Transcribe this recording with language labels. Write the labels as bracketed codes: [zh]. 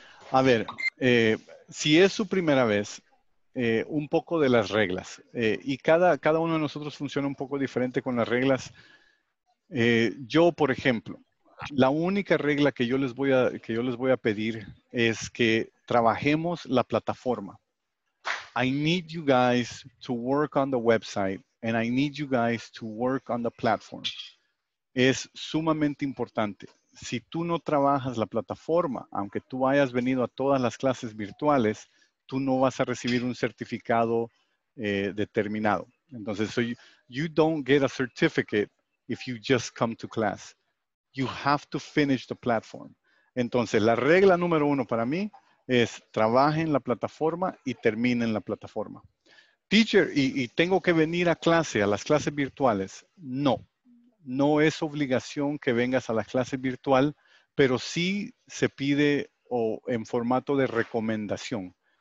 [es] A ver, si es su primera vez, un poco de las reglas. Y cada uno de nosotros funciona un poco diferente con las reglas. Yo, por ejemplo, la única regla que yo les voy a pedir es que trabajemos la plataforma. [en] I need you guys to work on the website and I need you guys to work on the platform. [es] Es sumamente importante. Si tú no trabajas la plataforma, aunque tú hayas venido a todas las clases virtuales, tú no vas a recibir un certificado determinado. [en] Entonces, so you don't get a certificate if you just come to class. You have to finish the platform. [es] Entonces, la regla número uno para mí es trabajen la plataforma y terminen la plataforma. Teacher, ¿y tengo que venir a clase, a las clases virtuales? No. No es obligación que vengas a la clase virtual, pero sí se pide o en formato de recomendación.